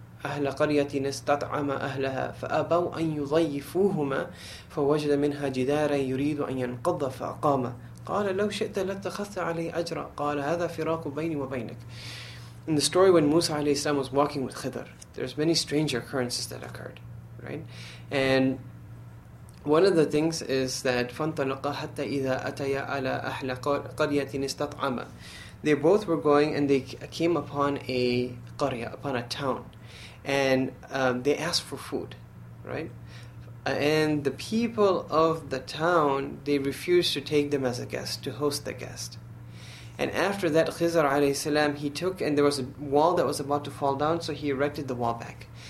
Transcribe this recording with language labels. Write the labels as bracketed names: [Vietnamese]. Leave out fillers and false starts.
[Arabic] أهل قرية استطعم أهلها فأبوا أن يضيفوهما فوجد منها جدارا يريد أن ينقض فأقام. قال لو شئت لاتخذت عليه أجرا. قال هذا فراق بيني وبينك. [English] In the story when Musa عليه السلام was walking with Khidr, there's many strange occurrences that occurred, right? And one of the things is that [Arabic] فانطلقا حتى إذا أتيا على أهل قرية استطعما. [English] They both were going and they came upon a قرية, upon a town. And they asked for food, right? And the people of the town, they refused to take them as a guest, to host the guest. And after that, Khizr alayhi salam, he took, and there was a wall that was about to fall down, so he erected the wall back.